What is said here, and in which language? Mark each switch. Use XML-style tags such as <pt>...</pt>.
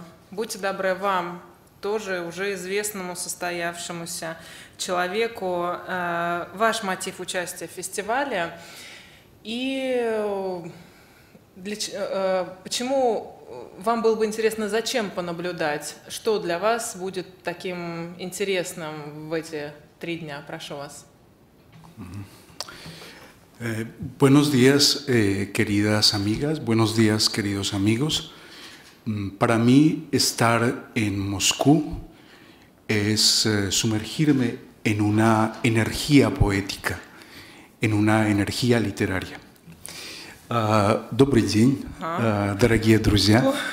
<ru>Будьте добры, вам, тоже уже известному состоявшемуся человеку, ваш мотив участия в фестивале. И почему вам было бы интересно, зачем понаблюдать? Что для вас будет таким интересным в эти три дня? Прошу вас.</ru> <es>Buenos días, queridas amigas, buenos días, queridos amigos. Para mí, estar en Moscú es sumergirme en una energía poética, en una energía literaria.</es> <ru>Добрый день, дорогие друзья.</ru>